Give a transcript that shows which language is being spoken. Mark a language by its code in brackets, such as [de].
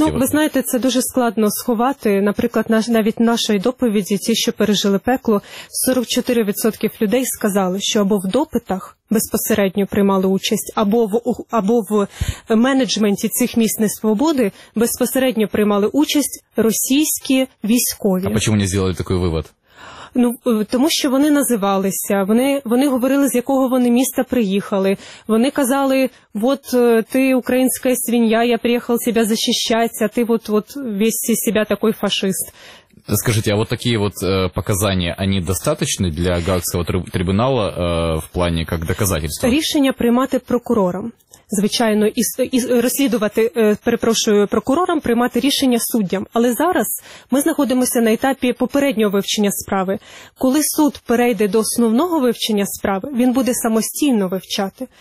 [uk] Ну, ви знаєте, це дуже складно сховати. Наприклад, навіть нашої доповіді, ті, що пережили пекло, 44% людей сказали, що або в допитах безпосередньо приймали участь, або в менеджменті цих міст несвободи безпосередньо приймали участь російські військові. А чому не зробили такий вивод? Ну, тому що вони називалися, вони говорили, з якого вони міста приїхали. Вони казали, от ти українська свинья, я приїхав себе захищати, а ти от весь із себе такий фашист. [ru] Скажите, а вот такие вот показания, они достаточны для Гаагского трибунала в плане как доказательства? [uk] Рішення приймати прокурором. Звичайно, і розслідувати, прокурорам, приймати рішення суддям. Але зараз ми знаходимося на етапі попереднього вивчення справи. Коли суд перейде до основного вивчення справи, він буде самостійно вивчати.